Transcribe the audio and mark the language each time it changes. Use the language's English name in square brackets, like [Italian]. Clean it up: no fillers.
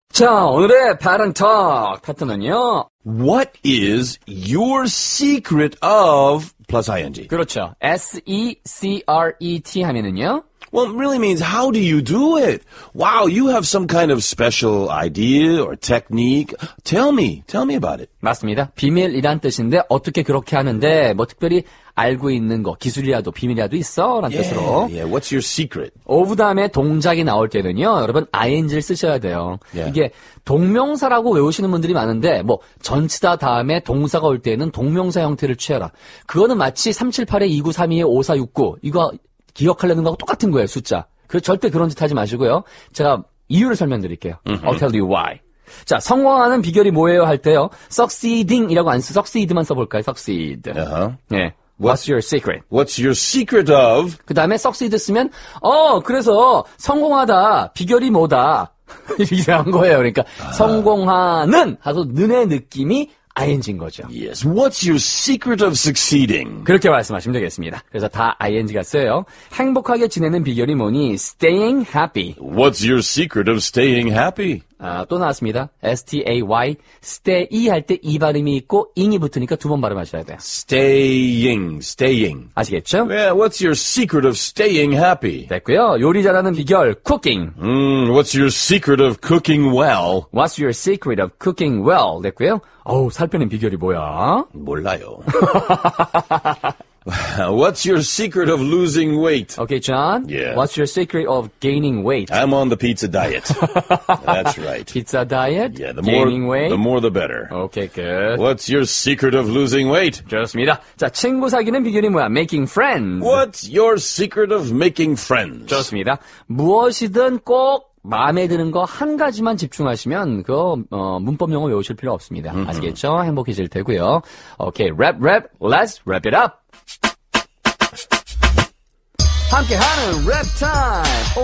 [Korean] 자, 오늘의 Pattern Talk 패턴은요. [English] What is your secret of plus ing? [Korean] 그렇죠. S-E-C-R-E-T 하면은요. [English] Well, it really means how do you do it? Wow, you have some kind of special idea or technique. Tell me about it. [Korean] 맞습니다. 비밀이란 뜻인데 어떻게 그렇게 하는데 뭐 특별히 알고 있는 거, 기술이라도 비밀이라도 있어? 라는 [English] yeah, [Korean] 뜻으로. [English] Yeah, what's your secret? [Korean] 오브 다음에 동작이 나올 때는요, 여러분 ing를 쓰셔야 돼요. [English] Yeah. [Korean] 이게 동명사라고 외우시는 분들이 많은데 뭐 전치다 다음에 동사가 올 때는 동명사 형태를 취해라. 그거는 마치 378-2932-5469 이거 기억하려는 거하고 똑같은 거예요, 숫자. 그 절대 그런 짓 하지 마시고요. 제가 이유를 설명드릴게요. [English] Mm-hmm. I'll tell you why. [Korean] 자, 성공하는 비결이 뭐예요? 할 때요. succeeding이라고 안 쓰, succeed만 써볼까요? [English] succeed. Uh-huh. 예. What's your secret? What's your secret of? [Korean] 그 다음에 succeed 쓰면, 어, 그래서 성공하다, 비결이 뭐다. 이상한 거예요. 그러니까 uh-huh. 성공하는 하고 는의 느낌이 ing인 거죠. [English] Yes. What's your secret of succeeding? [Korean] 그렇게 말씀하시면 되겠습니다. 그래서 다 ing가 쓰여요. 행복하게 지내는 비결이 뭐니? [English] Staying happy. What's your secret of staying happy? [Korean] 아, 또 나왔습니다. S-T-A-Y. Stay 할 때 이 발음이 있고 ing이 붙으니까 두 번 발음하셔야 돼요. [English] Staying. [Korean] 아시겠죠? [English] Yeah, what's your secret of staying happy? [Korean] 됐고요. 요리 잘하는 비결, cooking. [English] What's your secret of cooking well? What's your secret of cooking well? [Korean] 됐고요. 어우, 살펴낸 비결이 뭐야? 몰라요. [English] What's your secret of losing weight? Okay, John. Yeah. What's your secret of gaining weight? I'm on the pizza diet. That's right. Pizza diet? Yeah, the gaining more, weight? The more the better. Okay, good. What's your secret of losing weight? [Korean] 좋습니다. 자, 친구 사귀는 비결이 뭐야? [English] Making friends. What's your secret of making friends? [Korean] 좋습니다. 무엇이든 꼭 마음에 드는 거 한 가지만 집중하시면 그 문법 영어 외우실 필요 없습니다. 아시겠죠? 행복해질 테고요. [English] Okay, rap. Let's wrap it up. [Korean] 함께하는 랩 타임.